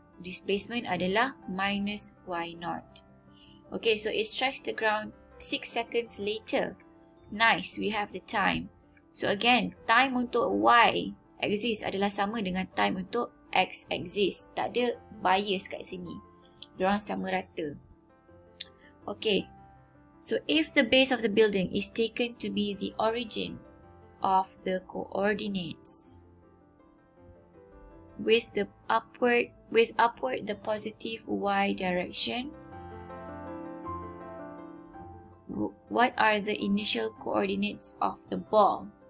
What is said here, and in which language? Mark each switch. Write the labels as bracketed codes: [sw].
[ms] Displacement adalah minus Y0. [en] Okay, so it strikes the ground 6 seconds later. Nice, we have the time. So again, time untuk Y exists [ms] adalah sama dengan [en] time untuk X exists. [ms] Tak ada bias kat sini. Diorang sama rata. [en] Okay, so if the base of the building is taken to be the origin of the coordinates, with upward the positive y direction, what are the initial coordinates of the ball?